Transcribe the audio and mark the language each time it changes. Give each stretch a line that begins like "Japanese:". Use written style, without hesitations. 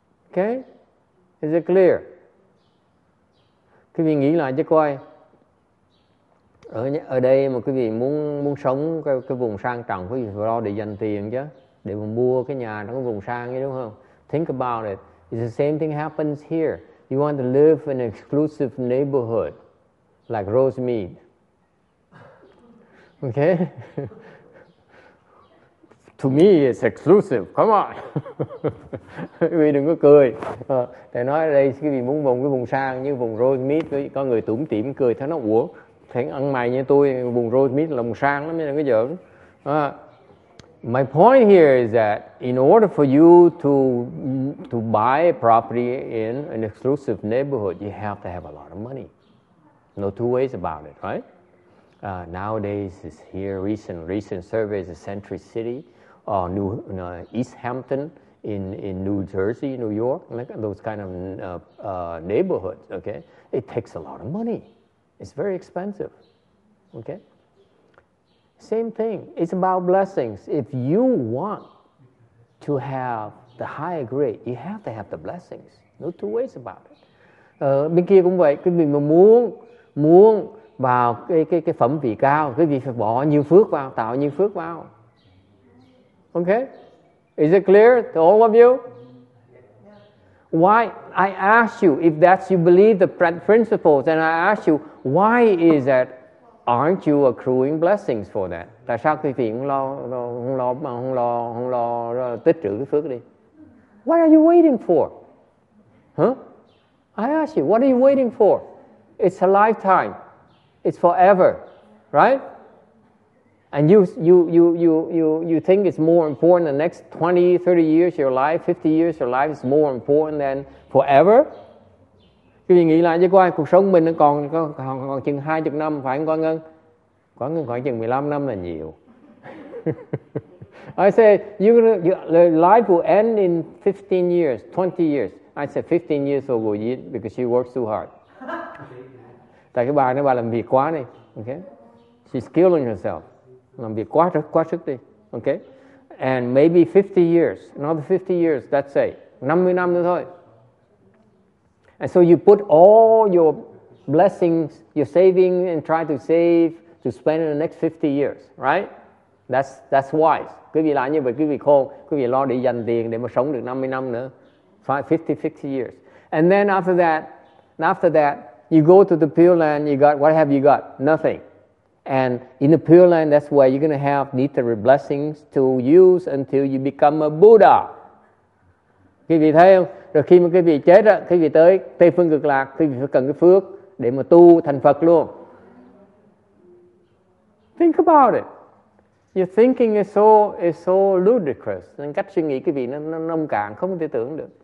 English: Okay? Is it clear?
Vietnamese: Quý vị nghĩ lại chứ coi. Ở đây mà quý vị muốn sống cái vùng sang trọng, quý vị phải lo để dành tiền chứ. Để mà mua cái nhà trong cái vùng sang ấy, đúng không?
English: Think about it. It's the same thing happens here. You want to live in an exclusive neighborhood like Rosemead. Okay? To me, it's exclusive. Come on.
Vietnamese: Quý vị đừng có cười. Thầy nói ở đây, quý vị muốn vùng cái vùng sang như vùng Rosemead, có người tủm tỉm cười, thấy nó, ủa? Thầy ăn mày như tôi, vùng Rosemead là vùng sang lắm, nên có giỡn.
English: My point here is that in order for you to buy a property in an exclusive neighborhood, you have to have a lot of money. No two ways about it, right? Nowadays, it's here, recent surveys, the Century City, East Hampton in New Jersey, New York, like those kind of neighborhoods, okay? It takes a lot of money. It's very expensive, okay? Same thing. It's about blessings. If you want to have the higher grade, you have to have the blessings. No two ways about it.
Vietnamese: Bên kia cũng vậy. Quý vị mà muốn vào cái phẩm vị cao, quý vị phải bỏ nhiều phước vào, tạo nhiều phước vào.
English: Okay? Is it clear to all of you? Why? I ask you, if that's you believe the principles, and I ask you, why is that aren't you accruing blessings for that?
Vietnamese: Tại sao quý vị không lo tích trữ cái phước đi?
English: What are you waiting for? Huh? I ask you, what are you waiting for? It's a lifetime. It's forever. Right? And you think it's more important the next 20, 30 years of your life, 50 years of your life is more important than forever?
Vietnamese: Quý vị nghĩ lại chứ coi, cuộc sống mình nó còn chừng 20 năm, phải không Quán Ngân? Quán Ngân khoảng chừng 15 năm là nhiều.
English: I say, your life will end in 15 years, 20 years. I say 15 years old will eat because she works too hard.
Vietnamese: Tại cái bà làm việc quá đi.
English: Okay? She's killing herself.
Vietnamese: Làm việc quá sức đi.
English: Okay? And maybe 50 years, another 50 years, let's say.
Vietnamese: 50 năm nữa thôi.
English: And so you put all your blessings, your savings, and try to save to spend in the next 50 years, right? That's wise.
Vietnamese: Quý vị làm như vậy, quý vị khôn, quý vị lo để dành tiền để mà sống được 50 năm nữa.
English: 50 years. And then after that, you go to the Pure Land, you got, what have you got? Nothing. And in the Pure Land, that's where you're going to have nectar blessings to use until you become a Buddha.
Vietnamese: Quý vị thấy không? Rồi khi mà quý vị chết á, quý vị tới Tây Phương Cực Lạc, quý vị phải cần cái phước để mà tu thành Phật luôn.
English: Think about it. Your thinking is so ludicrous.
Vietnamese: Nên cách suy nghĩ quý vị nó nông cạn, không thể tưởng được.